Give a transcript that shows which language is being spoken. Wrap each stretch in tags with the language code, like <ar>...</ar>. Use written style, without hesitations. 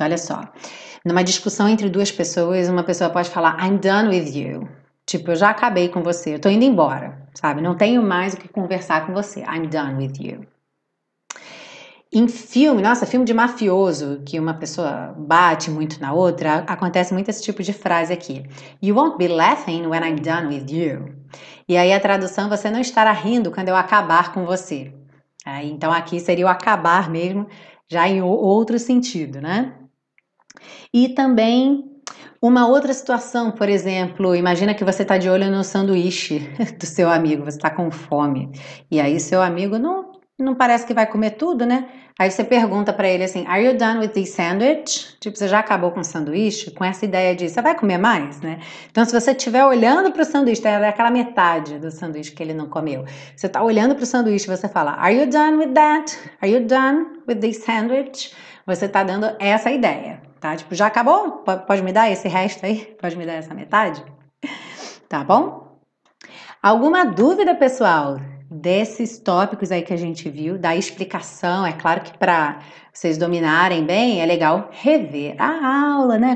<pt>Olha só, numa discussão entre duas pessoas, uma pessoa pode falar</pt> <en>I'm done with you.</en> <pt>Tipo, eu já acabei com você, eu tô indo embora, sabe? Não tenho mais o que conversar com você.</pt> <en>I'm done with you.</en> <pt>Em filme, nossa, filme de mafioso, que uma pessoa bate muito na outra, acontece muito esse tipo de frase aqui.</pt> <en>You won't be laughing when I'm done with you.</en> <pt>E aí a tradução, você não estará rindo quando eu acabar com você. Aí, então aqui seria o acabar mesmo, já em outro sentido, né? E também uma outra situação, por exemplo, imagina que você está de olho no sanduíche do seu amigo, você está com fome. E aí seu amigo não parece que vai comer tudo, né? Aí você pergunta para ele assim:</pt> <en>Are you done with this sandwich?</en> <pt>Tipo, você já acabou com o sanduíche? Com essa ideia de: Você vai comer mais, né? Então, se você estiver olhando para o sanduíche, é aquela metade do sanduíche que ele não comeu. Você tá olhando para o sanduíche e você fala:</pt> <en>Are you done with that? Are you done with this sandwich?</en> <pt>Você tá dando essa ideia, tá? Tipo, já acabou? Pode me dar esse resto aí? Pode me dar essa metade? Tá bom? Alguma dúvida, pessoal? Desses tópicos aí que a gente viu, da explicação, é claro que para vocês dominarem bem, é legal rever a aula, né?</pt>